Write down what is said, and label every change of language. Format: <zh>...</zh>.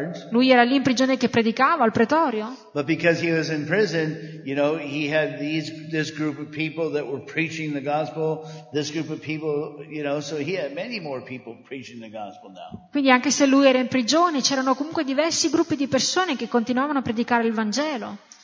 <it>Lui era lì in prigione che predicava al pretorio. Ma perché era in prigione,</it> <en>you know, he had this group of people that were preaching the gospel, this group of people, you know, so he had many more people preaching the gospel now.</en> <it>Quindi anche se lui era in prigione, c'erano comunque diversi gruppi di persone che continuavano a predicare il Vangelo.</it>